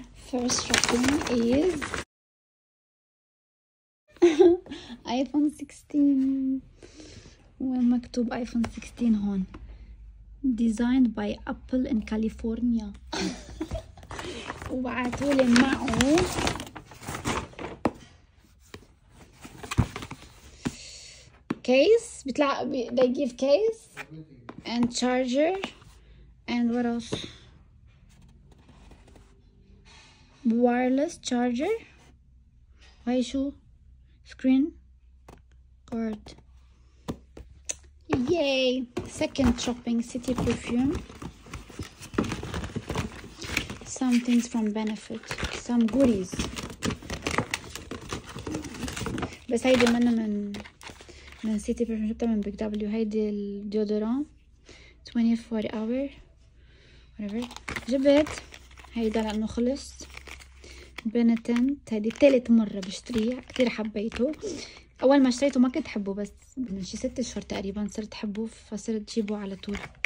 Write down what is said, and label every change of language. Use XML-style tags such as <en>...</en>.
<en>First shopping is iPhone 16.</en> <ar>مكتوب ايفون 16 هون.</ar> <en>Designed by Apple in California.</en> <ar>وبعتولي معه case. بيطلع</ar> <en>they give case and charger and what else? Wireless charger.</en> <ar>هاي شو؟</ar> <en>screen cord. Yay! Second shopping, City Perfume. Some things from Benefit. Some goodies.</en> <ar>بس هيدي منا من City Perfume. شفتها من Big W. هيدي الديودورون 24 hour.</ar> <en>Whatever.</en> <ar>جبت هيدا لأنه خلص. Benetent. هيدي تالت مرة بشتريها. كتير حبيته. اول ما اشتريته ما كنت حبه بس من شي 6 اشهر تقريبا صرت حبه فصرت جيبه على طول.</ar>